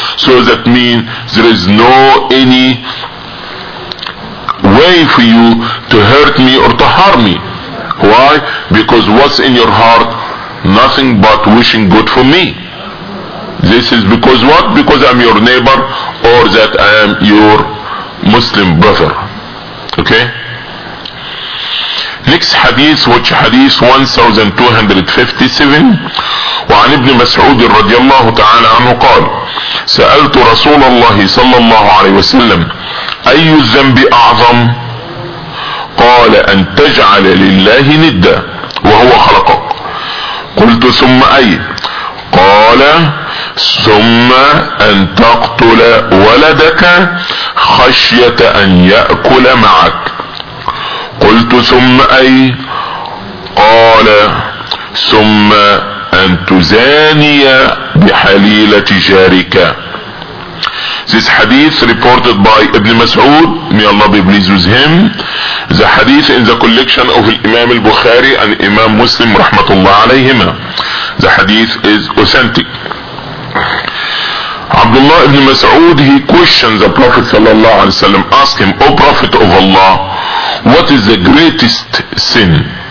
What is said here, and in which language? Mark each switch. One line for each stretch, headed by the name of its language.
English: So that means there is no any way for you to hurt me or to harm me. Why? Because what's in your heart? Nothing but wishing good for me. This is because what? Because I'm your neighbor, or that I am your Muslim brother. Okay? Next hadith, which hadith 1257,
Arabic: وعن ابن مسعود رضي الله تعالى عنه قال سألت رسول الله صلى الله عليه وسلم أي الذنب أعظم؟ قال أن تجعل لله ندا وهو خلقك. قلت ثم أي؟ قال ثم أن تقتل ولدك خشية أن يأكل معك. قلت ثم أي؟ قال ثم أن تزاني بحليلة جارك.
English: This hadith reported by Ibn Mas'ud, may Allah be pleased with him. The hadith in the collection of Imam al-Bukhari and Imam Muslim rahmatullah alayhima. The hadith is authentic. Abdullah ibn Mas'ud, he questions the Prophet sallallahu alayhi wa sallam, ask him, O Prophet of Allah, what is the greatest sin?